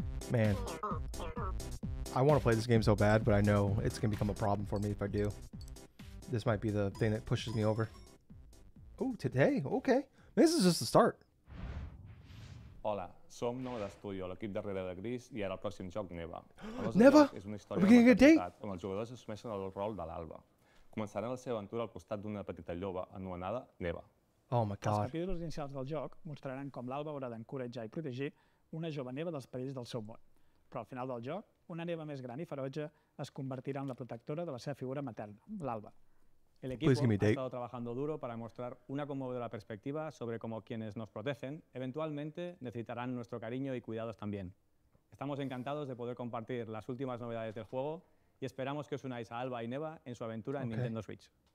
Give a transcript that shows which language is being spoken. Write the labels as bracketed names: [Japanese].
[English] Man, I want to play this game so bad, but I know it's gonna become a problem for me if I do. This might be the thing that pushes me over. Oh, today? Okay. This is just the start. [Catalan] Hola, som Nova Studio, l'equip darrere de Gris, i ara el pròxim joc, Neva. [English] Neva? [Catalan] És una història de maternitat, on els jugadors es sumeixen al rol de l'Alba. Començaran la seva aventura al costat d'una petita lloba anomenada Neva. [English] Oh my God. [Catalan] Els capítols inicials del joc mostraran com l'Alba haurà d'encoratjar i protegir una jove Neva dels perills del seu món. Però al final del joc, una Neva més gran i ferotge es convertirà en la protectora de la seva figura materna, l'Alba. [Spanish] El equipo ha estado trabajando duro para mostrar una conmovedora perspectiva sobre cómo quienes nos protegen eventualmente necesitarán nuestro cariño y cuidados también. Estamos encantados de poder compartir las últimas novedades del juego y esperamos que os unáis a Alba y Neva en su aventura en Nintendo Switch.